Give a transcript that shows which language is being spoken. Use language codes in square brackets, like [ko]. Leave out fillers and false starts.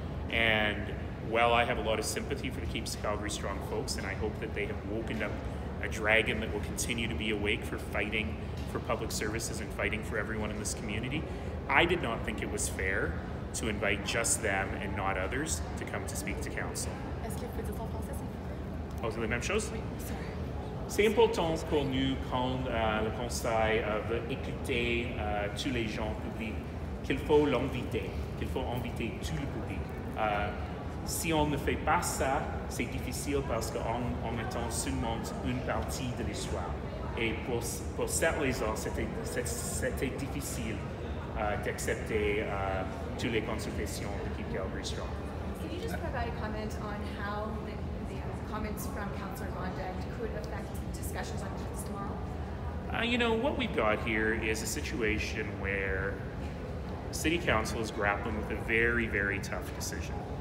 [en] And well, I have a lot of sympathy for the Keeps Calgary Strong folks, and I hope that they have woken up a dragon that will continue to be awake for fighting for public services and fighting for everyone in this community. I did not think it was fair to invite just them and not others to come to speak to council. [fr] Est-ce que les mêmes choses? Oui, [en] sorry. [fr] C'est important pour nous quand le conseil écouter tous les gens publics qu'il faut inviter tout le public. Si on ne fait pas ça, c'est difficile parce qu'on attend seulement une partie de l'histoire. Et pour cette raison, c'était difficile d'accepter toutes les consultations de Keep Calgary Strong. [en] Can you just provide a comment on how the comments from Councillor Gondek could affect discussions on cuts tomorrow? You know, what we've got here is a situation where City Council is grappling with a very, very tough decision.